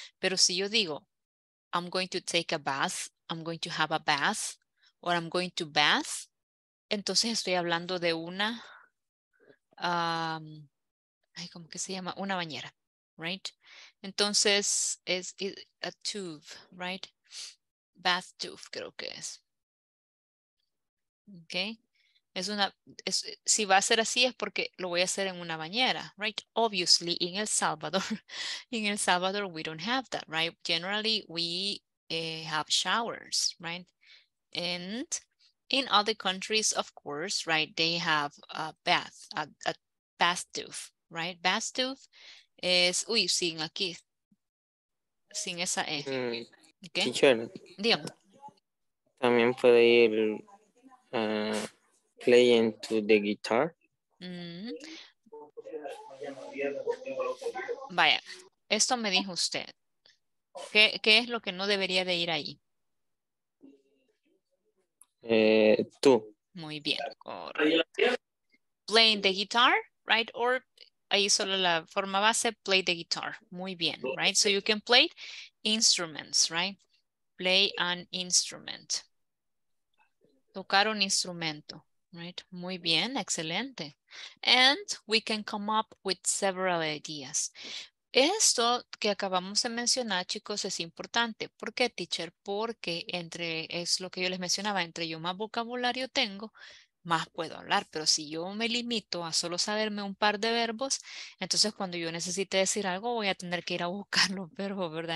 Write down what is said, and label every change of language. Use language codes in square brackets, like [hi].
[es] Pero si yo digo [en] I'm going to take a bath, I'm going to have a bath, or I'm going to bath, [es] entonces estoy hablando de una, ¿cómo que se llama? Una bañera, right? Entonces es a tub, right? Bath tub, creo que es. [en] Okay. [es] Es una, es, si va a ser así es porque lo voy a hacer en una bañera, right? [en] Obviously, in El Salvador we don't have that, right? Generally, we have showers, right? And in other countries, of course, right, they have a bath, a bathtub, right? [es] Bathtub es, uy, sin aquí, sin esa E. [en] Okay? Teacher. [es] Dígame. También puede ir [en] playing to the guitar. [es] Mm-hmm. Vaya, esto me dijo usted. ¿Qué es lo que no debería de ir ahí? Tú. Muy bien, correcto. [en] Playing the guitar, right? [es] Or ahí solo la forma base, [en] play the guitar. [es] Muy bien, right? [en] So you can play instruments, right? Play an instrument. [es] Tocar un instrumento. Right, muy bien, excelente. [en] And we can come up with several ideas. [es] Esto que acabamos de mencionar, chicos, es importante. ¿Por qué, teacher? Porque entre, es lo que yo les mencionaba, entre yo más vocabulario tengo, más puedo hablar. Pero si yo me limito a solo saberme un par de verbos, entonces cuando yo necesite decir algo, voy a tener que ir a buscar los verbos, ¿verdad?